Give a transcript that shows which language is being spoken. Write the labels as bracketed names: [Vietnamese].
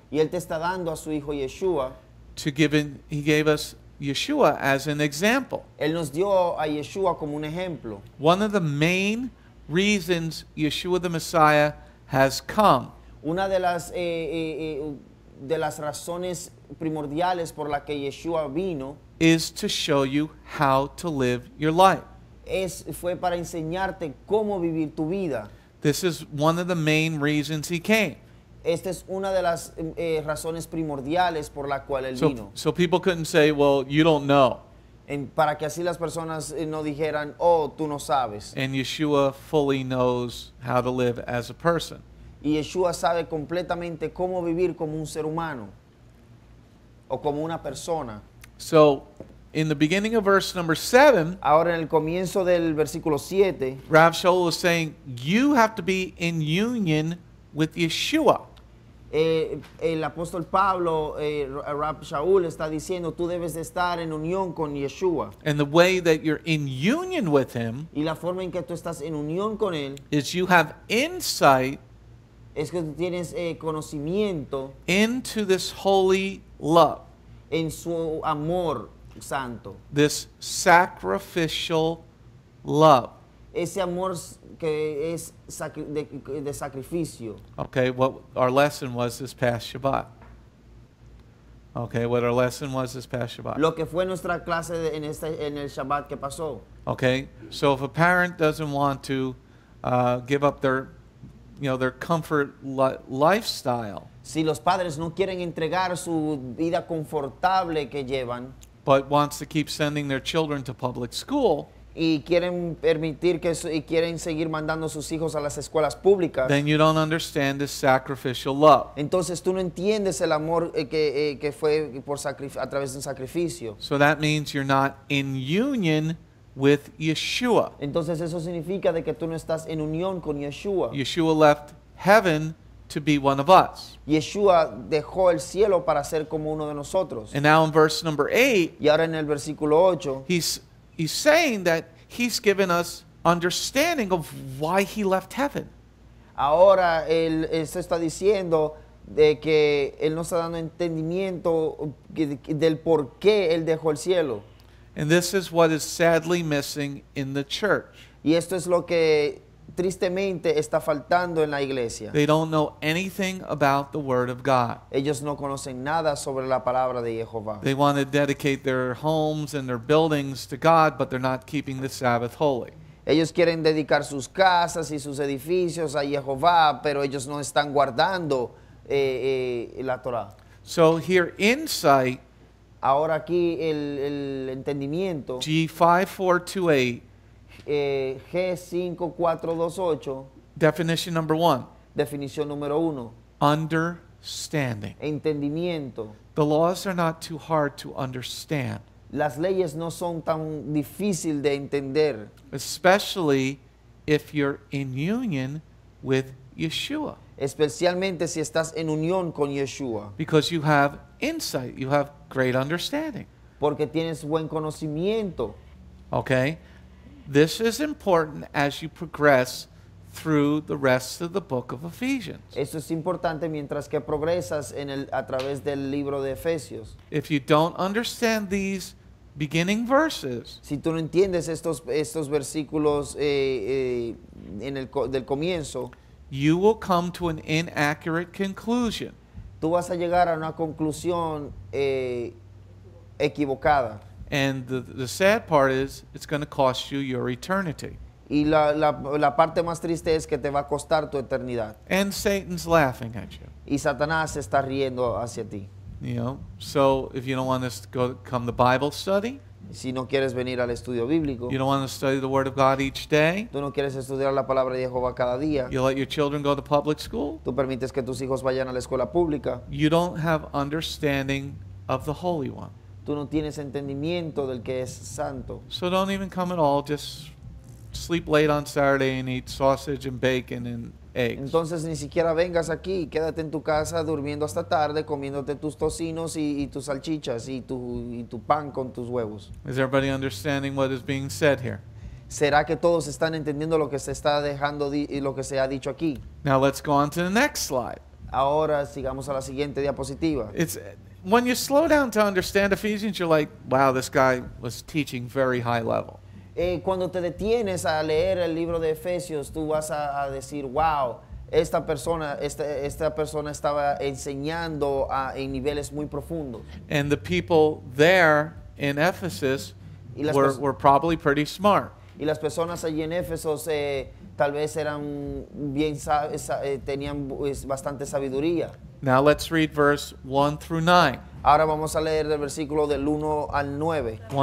[Spanish] Y él te está dando a su hijo Yeshua. [English] To give in, he gave us Yeshua as an example. [Spanish] Él nos dio a Yeshua como un ejemplo. [English] One of the main reasons Yeshua the Messiah has come. [Spanish] Una de las razones primordiales por la que Yeshua vino [English] is to show you how to live your life. [Spanish] Fue para enseñarte cómo vivir tu vida. [English] This is one of the main reasons he came. [Spanish] Esta es una de las razones primordiales por la cual él [English] so, [Spanish] vino. [English] So people couldn't say, well, you don't know. [Spanish] En para que así las personas no dijeran, oh, tú no sabes. [English] And Yeshua fully knows how to live as a person. [Spanish] Y Yeshua sabe completamente cómo vivir como un ser humano o como una persona. [English] So in the beginning of verse number 7, [Spanish] ahora en el comienzo del versículo 7, [English] Rav Sha’ul is saying, you have to be in union with Yeshua. [Spanish] El apóstol Pablo, Rav Sha’ul, está diciendo, tú debes de estar en unión con Yeshua. [English] And the way that you're in union with him, [Spanish] y la forma en que tú estás en unión con él, [English] is you have insight, [Spanish] es que tú tienes conocimiento, [English] into this holy love, [Spanish] en su amor santo, [English] this sacrificial love, [Spanish] ese amor que es de sacrificio. [English] Okay, what our lesson was this past Shabbat. Okay, what our lesson was this past Shabbat. [Spanish] Lo que fue nuestra clase en el Shabbat que pasó. [English] Okay, so if a parent doesn't want to give up their, you know, their comfort lifestyle. [Spanish] Si los padres no quieren entregar su vida confortable que llevan. [English] But wants to keep sending their children to public school. [Spanish] Y quieren permitir que y quieren seguir mandando sus hijos a las escuelas públicas. [English] Then you don't understand this sacrificial love. [Spanish] Entonces tú no entiendes el amor que fue por a través de un sacrificio. [English] So that means you're not in union with Yeshua. [Spanish] Entonces eso significa de que tú no estás en unión con Yeshua. [English] Yeshua left heaven to be one of us. [Spanish] Yeshua dejó el cielo para ser como uno de nosotros. [English] And now in verse number 8, [Spanish] y ahora en el versículo 8, [English] He's saying that he's given us understanding of why he left heaven. [Spanish] Ahora él se está diciendo de que él nos está dando entendimiento del por qué él dejó el cielo. [English] And this is what is sadly missing in the church. [Spanish] Y esto es lo que tristemente está faltando en la iglesia. [English] They don't know anything about the word of God. [Spanish] Ellos no conocen nada sobre la palabra de Jehová. [English] They want to dedicate their homes and their buildings to God, but they're not keeping the Sabbath holy. [Spanish] Ellos quieren dedicar sus casas y sus edificios a Jehová, pero ellos no están guardando la Torá. [English] So here insight, [Spanish] ahora aquí el entendimiento, [English] G5428, [Spanish] G5428. [English] Definition number one. [Spanish] Definición número uno. [English] Understanding. [Spanish] Entendimiento. [English] The laws are not too hard to understand. [Spanish] Las leyes no son tan difícil de entender. [English] Especially if you're in union with Yeshua. [Spanish] Especialmente si estás en unión con Yeshua. [English] Because you have insight. You have great understanding. [Spanish] Porque tienes buen conocimiento. [English] Okay. This is important as you progress through the rest of the book of Ephesians. [Spanish] Eso es importante mientras que progresas en el a través del libro de Efesios. [English] If you don't understand these beginning verses, [Spanish] si tú no entiendes estos versículos en el del comienzo, [English] you will come to an inaccurate conclusion. [Spanish] Tú vas a llegar a una conclusión equivocada. [English] And the sad part is, it's going to cost you your eternity. [Spanish] Y la parte más triste es que te va a costar tu eternidad. [English] And Satan's laughing at you. [Spanish] Y Satanás está riendo hacia ti. [English] You know, so if you don't want us to go, come to Bible study. [Spanish] Si no quieres venir al estudio bíblico. [English] You don't want to study the Word of God each day. [Spanish] Tú no quieres estudiar la palabra de Jehová cada día. [English] You let your children go to public school. [Spanish] Tú permites que tus hijos vayan a la escuela pública. [English] You don't have understanding of the Holy One. [Spanish] Tú no tienes entendimiento del que es santo. [English] So don't even come at all. Just sleep late on Saturday and eat sausage and bacon and eggs. [Spanish] Entonces ni siquiera vengas aquí. Quédate en tu casa durmiendo hasta tarde, comiéndote tus tocinos y tus salchichas y tu pan con tus huevos. [English] Is everybody understanding what is being said here? [Spanish] ¿Será que todos están entendiendo lo que se está dejando y lo que se ha dicho aquí? [English] Now let's go on to the next slide. [Spanish] Ahora sigamos a la siguiente diapositiva. [English] It's, when you slow down to understand Ephesians, you're like, wow, this guy was teaching very high level. [Spanish] Cuando te detienes a leer el libro de Efesios, tú vas a decir, wow, esta persona estaba enseñando en niveles muy profundos. [English] And the people there in Ephesus were probably pretty smart. [Spanish] Y las personas allí en Éfesos tal vez eran bien tenían bastante sabiduría. [English] Now let's read verse 1 through 9. [Spanish] Ahora vamos a leer del versículo del 1 al 9.